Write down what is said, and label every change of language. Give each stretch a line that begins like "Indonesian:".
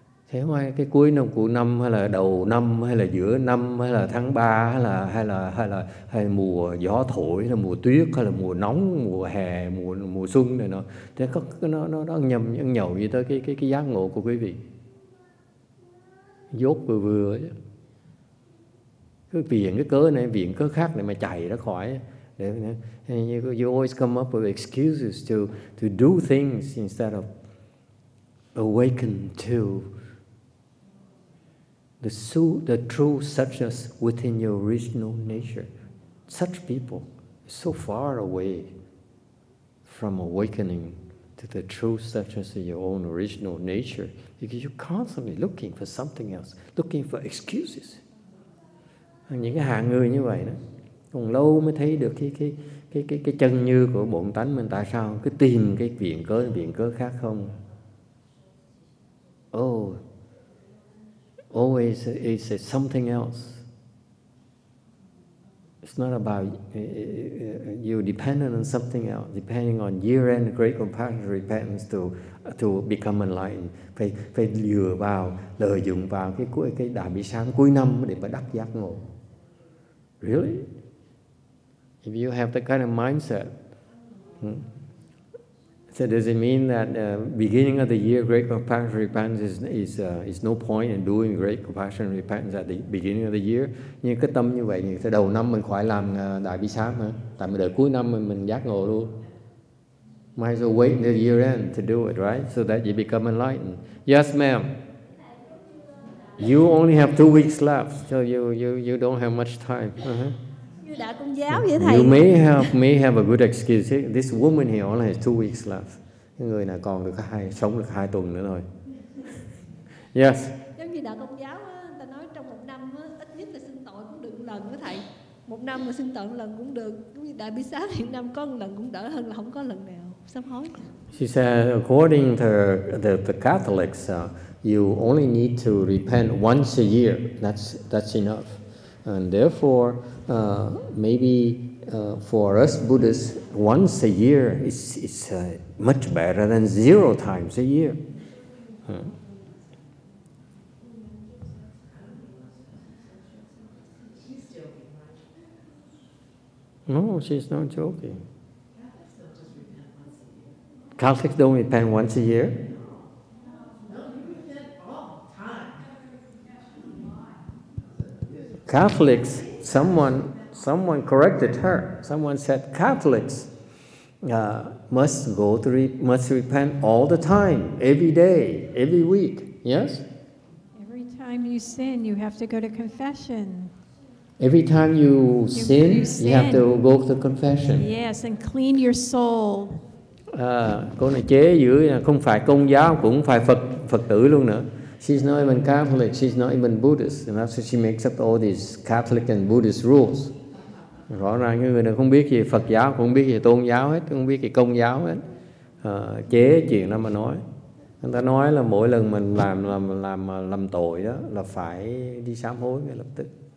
Vietnamese: Thế ngoài cái cuối năm của năm hay là đầu năm hay là giữa năm hay là tháng 3 hay là mùa gió thổi hay là mùa tuyết hay là mùa nóng, mùa hè, mùa xuân này nó thế nó nhầm ăn nhậu gì tới cái giác ngộ của quý vị. Dốt vừa vừa chứ. Cứ viện cái cớ này, viện cớ khác này mà chạy ra khỏi.
English: You always come up with excuses to do things instead of awaken to the true suchness within your original nature. Such people are so far away from awakening to the true suchness of your own original nature because you're constantly looking for something else, looking for excuses.
Vietnamese: Những cái hạng người như vậy đó còn lâu mới thấy được cái chân như của bổn tánh mình, tại sao cứ tìm cái viện cớ khác không.
English: Always it's something else. It's not about you dependent on something else, depending on year end great compassion repentance to become enlightened.
Vietnamese: Phải lừa vào, lợi dụng vào cái đại bi sám cuối năm để mà đắc giác ngộ.
English: Really? If you have that kind of mindset, so does it mean that beginning of the year great compassion repentance is no point in doing great compassion repentance at the beginning of the year?
Vietnamese: Như cái tâm như vậy thì đầu năm mình khỏi làm đại bi sám hả? Tại mình đợi cuối năm mình giác ngộ luôn.
English: Might as well wait until the year end to do it, right? So that you become enlightened. Yes, ma'am. You only have 2 weeks left, so you don't have much time. You may have a good excuse. This woman here only has 2 weeks left.
Vietnamese: Cái người nào còn được sống được 2 tuần nữa thôi.
English: Yes.
Vietnamese: Giống như đạo Công giáo, người ta nói trong một năm ít nhất là sinh tội cũng được một lần, thầy. Một năm mà sinh tội một lần cũng được. Giống như đại bi sám hiện năm có một lần cũng đỡ hơn là không có lần nào. Sám hối.
English: She said, according to the Catholics, you only need to repent once a year. That's enough. And therefore, maybe For us Buddhists, once a year is much better than zero times a year. No, she's not joking. Catholics don't repent once a year. Catholics, someone corrected her. Someone said Catholics must repent all the time, every day, every week. Yes? Every time you sin, you have to go to confession. Every time you sin, you have to go to confession. Yes, and clean your soul.
Vietnamese: Cô này chế dữ, không phải công giáo cũng phải Phật tử luôn nữa.
English: She's not even Catholic, she's not even Buddhist. And after she makes up all these Catholic and Buddhist rules.
Vietnamese: Rõ ràng người này không biết gì Phật giáo, không biết gì tôn giáo hết, không biết gì công giáo hết. Chế chuyện đó mà nói. Người ta nói là mỗi lần mình làm tội đó là phải đi sám hối ngay lập tức.